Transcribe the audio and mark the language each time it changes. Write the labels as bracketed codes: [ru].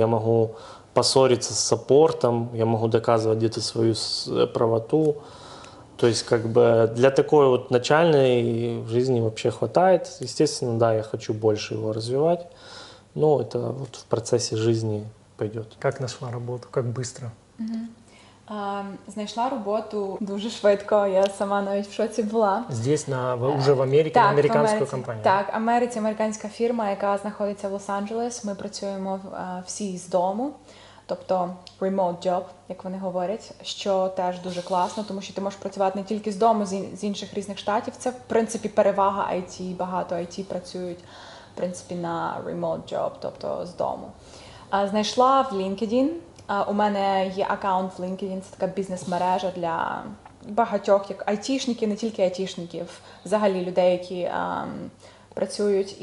[ru] Я могу поссориться с саппортом, я могу доказывать где-то свою правоту. То есть, как бы, для такой вот начальной жизни вообще хватает. Естественно, да, я хочу больше его развивать, но это вот в процессе жизни пойдет. Как нашла работу? Как быстро? [uk] Знайшла роботу дуже швидко, я сама навіть в шоці була. [ru] Здесь, уже [uk] в Америці, на американську компанію? Так, в Америці американська фірма, яка знаходиться в Лос-Анджелес. Ми працюємо всі з дому, тобто [en] remote job, [uk] як вони говорять, що теж дуже класно, тому що ти можеш працювати не тільки з дому, з інших різних штатів. Це, в принципі, перевага IT, багато IT працюють, в принципі, на [en] remote job, [uk] тобто з дому. Знайшла в LinkedIn. У мене є аккаунт в LinkedIn, це така бізнес-мережа для багатьох, як айтішників, не тільки айтішників, взагалі людей, які працюють.